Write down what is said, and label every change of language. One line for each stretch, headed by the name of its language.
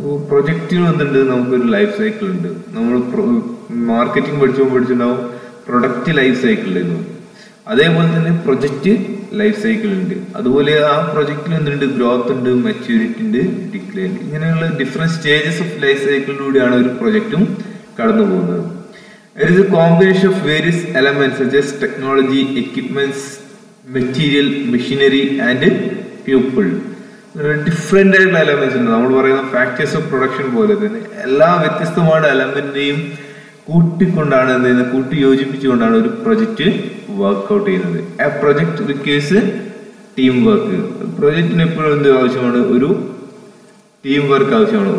Malayalam: പ്രൊജക്റ്റിൽ വന്നിട്ടുണ്ട് നമുക്കൊരു life cycle ഉണ്ട്. നമ്മൾ മാർക്കറ്റിംഗ് പഠിച്ചപ്പോൾ പഠിച്ചിട്ടുണ്ടാവും പ്രൊഡക്റ്റ് ലൈഫ് സൈക്കിൾ എന്ന്. അതേപോലെ തന്നെ പ്രൊജക്റ്റ് ലൈഫ് സൈക്കിൾ ഉണ്ട്, അതുപോലെ ആ പ്രൊജക്റ്റിൽ എന്തുണ്ട്, ഗ്രോത്ത് ഉണ്ട്, മെച്യൂരിറ്റി ഉണ്ട്, ഡിക്ലൈൻ, ഇങ്ങനെയുള്ള ഡിഫറെന്റ് സ്റ്റേജസ് ഓഫ് ലൈഫ് സൈക്കിളിലൂടെയാണ് ഒരു പ്രൊജക്റ്റും കടന്നു പോകുന്നത്.
English: There is a combination of various elements such as technology, equipments, material, machinery and people. Different types of elements.
Malayalam: നമ്മൾ പറയുന്ന ഫാക്ടേഴ്സ് ഓഫ് പ്രൊഡക്ഷൻ പോലെ തന്നെ എല്ലാ വ്യത്യസ്തമായ എലമെന്റിനെയും കൂട്ടിക്കൊണ്ടാണ് എന്ത് ചെയ്യുന്നത്, കൂട്ടി യോജിപ്പിച്ചുകൊണ്ടാണ് ഒരു പ്രൊജക്റ്റ് വർക്ക്ഔട്ട് ചെയ്യുന്നത്. ആ
English: Project requires team work.
Malayalam: പ്രൊജക്റ്റിന് എപ്പോഴും എന്ത് ആവശ്യമാണ്, ഒരു ടീം വർക്ക് ആവശ്യമാണ്.